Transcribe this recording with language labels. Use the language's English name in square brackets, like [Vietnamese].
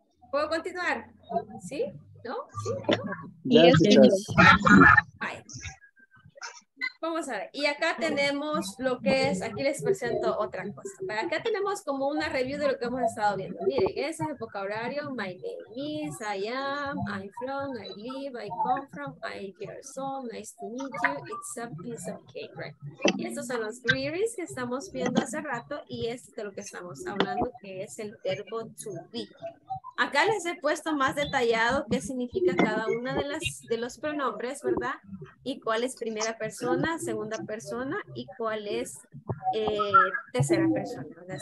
[Spanish] ¿Puedo continuar? ¿Sí? ¿No? ¿Sí? Vamos a ver, y acá tenemos lo que es, aquí les presento otra cosa. Pero acá tenemos como una review de lo que hemos estado viendo. Miren, ese es el vocabulario, [English] my name is, I am, I'm from, I live, I come from, I'm your son, nice to meet you, it's a piece of cake, right? [Spanish] Y estos son los queries que estamos viendo hace rato, y es de lo que estamos hablando, que es el verbo to be. Acá les he puesto más detallado qué significa cada una de las de los pronombres, ¿verdad? Y cuál es primera persona, segunda persona y cuál es tercera persona, ¿verdad?